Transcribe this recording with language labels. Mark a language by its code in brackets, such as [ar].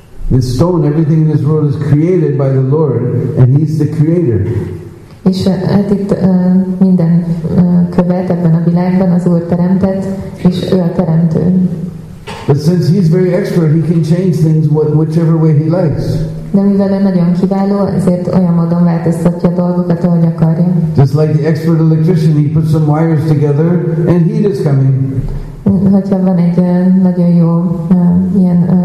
[en] The stone, everything in this world is created by the Lord, and he's the creator. [hu] És hát itt minden követ ebben a világban az Úr teremtett, és ő a teremtő. [en] But since he's very expert, he can change things whichever way he likes. [hu] De mivel ő nagyon kiváló, ezért olyan módon változtatja a dolgokat, ahogy akarja. [en] Just like the expert electrician, he puts some wires together, and heat is coming. [hu] Hogyha van egy nagyon jó ilyen